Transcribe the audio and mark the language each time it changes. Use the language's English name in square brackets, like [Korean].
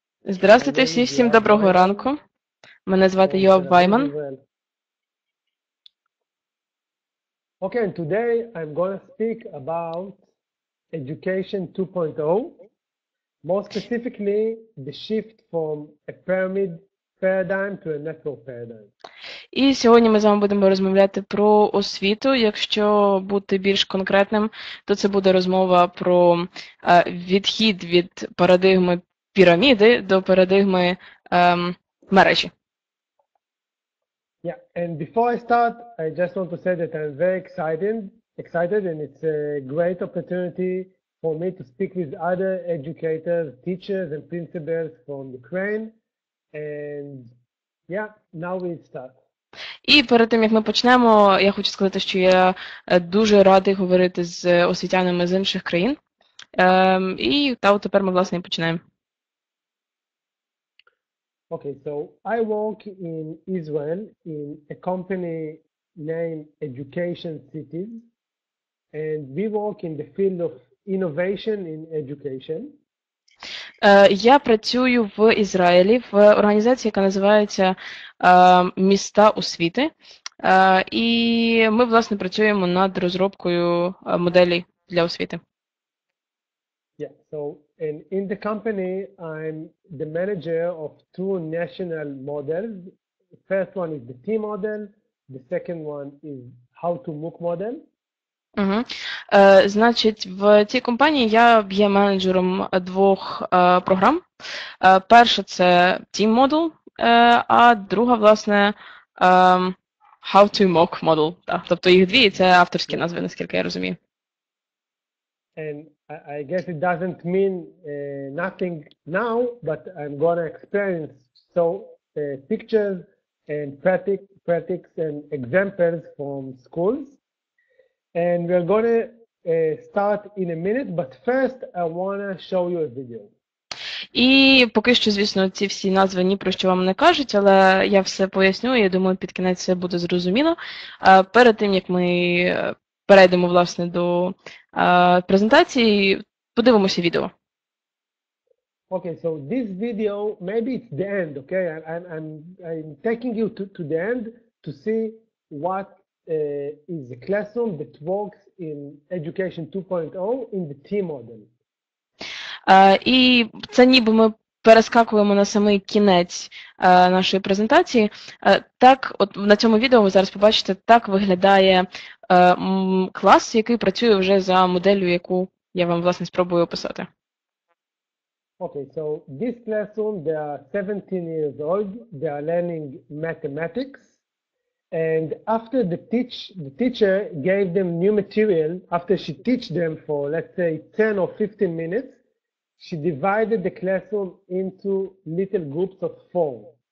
[Ukrainian] Здравствуйте всі, всім доброго ранку. Мене звати Йоав Вейман. [English] Okay, and today I'm going to speak about education 2.0. More specifically, the shift from a pyramid paradigm to a network paradigm. [Ukrainian] І сьогодні ми з вами будемо розмовляти про освіту. Якщо бути більш конкретним, то це буде розмова про відхід від парадигми піраміди до парадигми мережі. [English] Yeah, and before I start, I just want to say that I'm very excited and it's a great opportunity for me to speak with other educators, teachers and principals from Ukraine. And yeah, now we start. [Ukrainian] І перед тим, як ми почнемо, я хочу сказати, що я дуже радий говорити з освітянами з інших країн. І та от тепер ми, власне, і почнемо. [English] Okay, so I work in Israel in a company named Education Cities, and we work in the field of innovation in education. [Ukrainian] Я працюю в Ізраїлі в організації, яка називається «Міста освіти», і ми, власне, працюємо над розробкою моделі для освіти. [English] Yeah, so in the company I'm the manager of two national models. The first one is the T model, the second one is how to MOOC model. Угу. [Ukrainian] Значить, в цій компанії я є менеджером двох програм. Перша – це Team Model, а друга, власне, How to MOOC Model. Так. Тобто їх дві, це авторські назви, наскільки я розумію. [English] And I guess it doesn't mean nothing now, but I'm gonna experience so pictures and practice and examples from schools. And we're going to start in a minute, but first I want to show you a video. [Ukrainian] І поки що, звісно, ці всі назви ні про що вам не кажуть, але я все поясню, я думаю, під кінець все буде зрозуміло. Перед тим, як ми перейдемо, власне, до презентації, подивимося відео. [English] Okay, so this video, maybe it's the end, okay? I'm taking you to the end to see what is a classroom that works in education 2.0 in the T model. [Ukrainian] І це ніби ми перескакуємо на самий кінець нашої презентації. Так, от на цьому відео ви зараз побачите, так виглядає клас, який працює вже за моделлю, яку я вам власне спробую описати. [English] Okay, so this classroom, they are 17 years old, they are learning mathematics. And after the teacher gave them new material, after she teach them for, let's say, 10 or 15 minutes, she divided the classroom into little groups of four.